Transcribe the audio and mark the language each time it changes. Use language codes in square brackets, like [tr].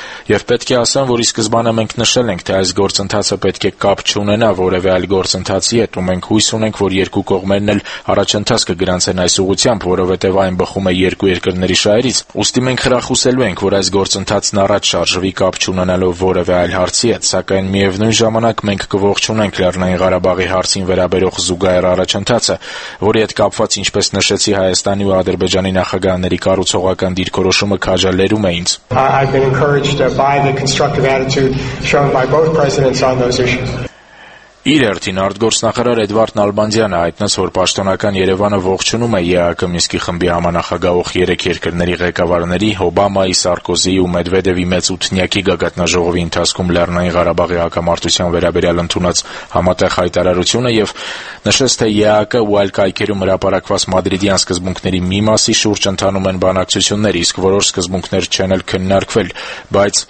[hy] Եվ պետք է ասեմ, որ ի սկզբանե մենք նշել ենք, թե այս գործընթացը պետք է կապ չունենա որևէ այլ գործընթացի հետ, ու մենք հույս ունենք, որ երկու կողմերն էլ առաջընթաց կգրանցեն այս ուղությամբ, որովհետև այն բխում է երկու երկրների շահերից։ Ուստի մենք հրախուսելու ենք, որ այս գործընթացն առաջ շարժվի կապ չունենալով որևէ այլ հարցի հետ, սակայն միևնույն ժամանակ մենք կողջունենք Լեռնային Ղարաբաղի հարցին վերաբերող զուգահեռ առաջընթացը, որի հետ կապված, ինչպես նշեցի, Հայաստանի ու Ադրբեջանի նախագահների կառուցողական դիրքորոշումը քաջալերում է ինձ։ [en] I've been encouraged by the constructive attitude shown by both presidents on those issues. [hy] Իր հերթին արտգործնախարար Էդվարդն Ալբանդյանը հայտնեց, որ պաշտոնական Երևանը ողջունում է ԵԱԿ Մինսկի խմբի համանախագահող երեք երկրների ղեկավարների Օբամայի, Սարկոզիի ու Մեդվեդևի մեծ ութնյակի գագաթնաժողովի ընթացքում Լեռնային Ղարաբաղի հակամարտության վերաբերյալ ընդունած համատեղ հայտարարությունը և նշեց, թե ԵԱԿ ու այլ կայքերում հրապարակված մադրիդյան սկզբունքների մի մասի շուրջ ընթանում են բանակցությունները, իսկ որոշ սկզբունքներ չեն էլ քննարկվել, բայց